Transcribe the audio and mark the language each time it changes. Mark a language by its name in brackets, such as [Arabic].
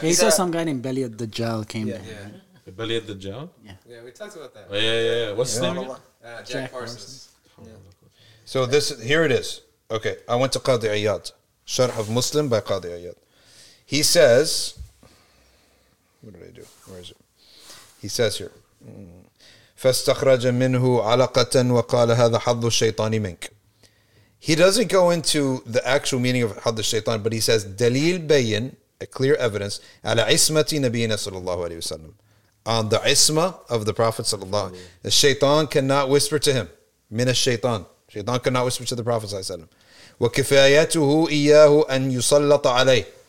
[English] He said some guy named Belia Dajjal came to him. Right? Belia Dajjal? Yeah. Yeah, we talked about that. Oh, yeah. What's his name? Jack Parsons. Yeah. So this here it is. Okay, I went to Qadi Ayyad. Sharh of Muslim by Qadi Ayyad. He says, what did I do? Where is it? He says here, [Arabic] فَاسْتَخْرَجَ مِنْهُ عَلَقَةً وَقَالَ هَذَا حَظُّ الشَّيْطَانِ مِنْكَ. [English] He doesn't go into the actual meaning of Hadd al-Shaytan, but he says, [Arabic] Dalil bayin, [English] a clear evidence, [Arabic] ala ismati nabiyina sallallahu alayhi wa sallam. [English] On the isma of the Prophet sallallahu alayhi wa sallam. The shaytan cannot whisper to him. [Arabic] Min al-shaytan. [English] Shaytan cannot whisper to the Prophet sallallahu alayhi wa sallam. [Arabic] Wa kifayatuhu iyyahu an yusallata alayh.